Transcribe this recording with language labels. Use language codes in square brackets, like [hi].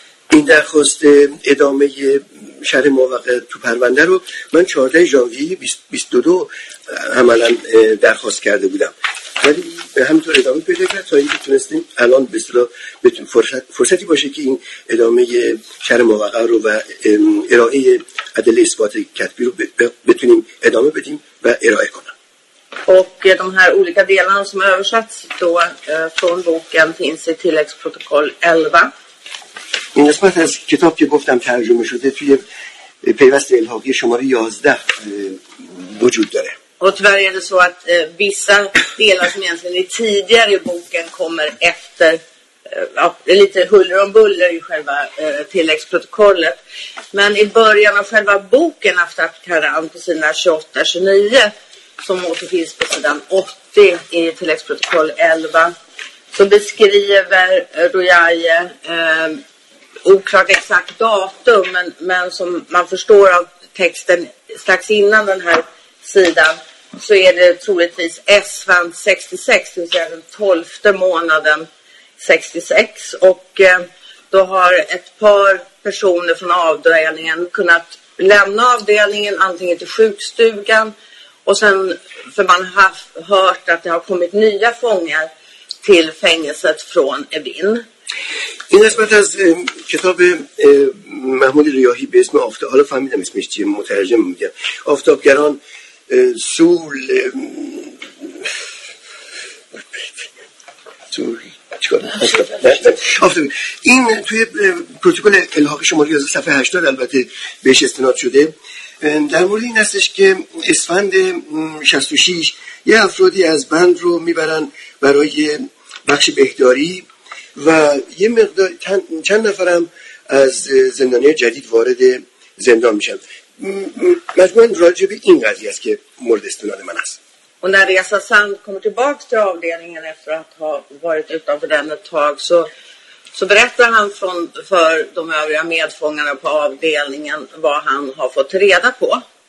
[fa] این درخواست ادامه شرح موقع تو پرونده رو من 14 ژانویه 2022 عملا درخواست کرده بودم ولی به همینطور ادامه پیدا کرد تا اینکه تونستیم الان به اصطلاح فرصتی باشه که این ادامه شرح موقع رو و ارائه عدل اثبات کتبی رو بتونیم ادامه بدیم و ارائه کنم. [sv] Och de här olika delarna som översatts då från boken finns i tilläggsprotokoll 11. [fa] این قسمت از کتاب که گفتم ترجمه شده توی پیوست الحاقی شماره 11 وجود داره. [sv] Och tyvärr är det så att vissa delar som egentligen är tidigare i boken kommer efter lite huller om buller i själva tilläggsprotokollet. Men i början av själva boken Aftab Karan på sidan 28-29 som återfinns på sidan 80 i tilläggsprotokoll 11 så beskriver Rouhaniye oklart exakt datum men som man förstår av texten strax innan den här sidan så är det troligtvis Esfand 66, det vill säga den 12:e månaden 66 och då har ett par personer från avdelningen kunnat lämna avdelningen antingen till sjukstugan och sen för man har hört att det har kommit nya fångar till fängelset från Evin. [fa] این قسمت از کتاب محمود ریاحی به اسم آفتاب، حالا فهمیدم اسمش چیه، مترجم میگم آفتابگران سول آفتاب. این توی پروتکل الحاق شماره از صفحه 80 البته بهش استناد شده. در مورد این هستش که اسفند 66 یه افرادی از بند رو میبرن برای بخش بهداری و یه مقدار چند نفرم از زندانی جدید وارد زندان میشن. مجموعاً راجع به این قضیه است که مورد استناد من است. [sv] Och när Reza sen kommer tillbaka till avdelningen efter att ha varit utanför den ett tag så berättar han för de övriga medfångarna på avdelningen vad han har fått reda på.